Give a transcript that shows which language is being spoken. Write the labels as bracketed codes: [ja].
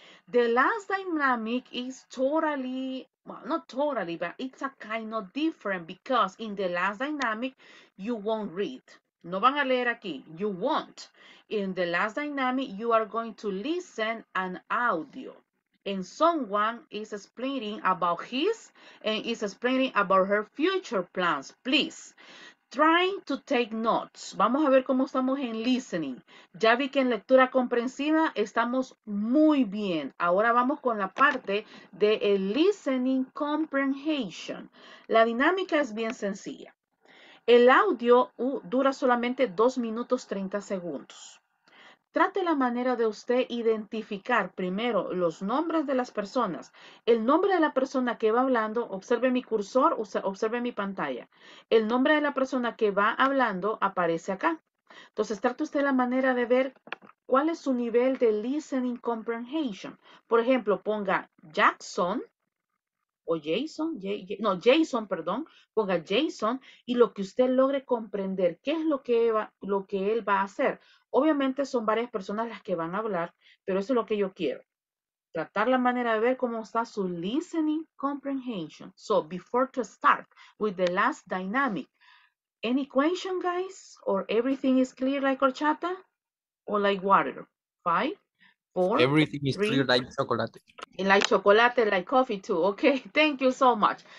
[en] The last dynamic is totally, well, not totally, but it's a kind of different because in the last dynamic, you won't read. [es] No van a leer aquí. [en] You won't. In the last dynamic, you are going to listen an audio. And someone is explaining about his and is explaining about her future plans. Please, try to take notes. [es] Vamos a ver cómo estamos en listening. Ya vi que en lectura comprensiva estamos muy bien. Ahora vamos con la parte de el listening comprehension. La dinámica es bien sencilla. El audio dura solamente 2 minutos 30 segundos. Trate la manera de usted identificar primero los nombres de las personas. El nombre de la persona que va hablando, observe mi cursor, observe mi pantalla. El nombre de la persona que va hablando aparece acá. Entonces, trate usted la manera de ver cuál es su nivel de listening comprehension. Por ejemplo, ponga Jackson. O Jason, Jason, perdón, ponga Jason y lo que usted logre comprender, qué es lo que él va a hacer. Obviamente son varias personas las que van a hablar, pero eso es lo que yo quiero. Tratar la manera de ver cómo está su listening comprehension. [en] So, before to start with the last dynamic, any question, guys, or everything is clear like horchata or like water? Five? Four, everything is three, clear like chocolate. And like chocolate, like coffee too. Okay, thank you so much.